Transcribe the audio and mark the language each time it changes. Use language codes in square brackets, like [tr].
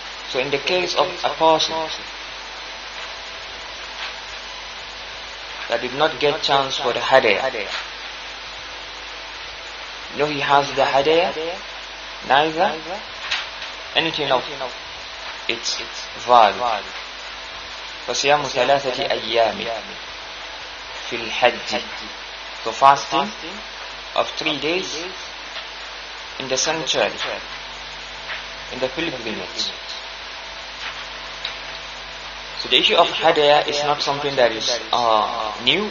[en] So in the case of a person that did not get chance for the hadiah, no, he has the hadiah, neither anything of its value. [ar] فصيام ثلاثة أيام في الحج. [en] So fasting of 3 days in the sanctuary, in the pilgrimage. So the issue of hadaya is not something that is new.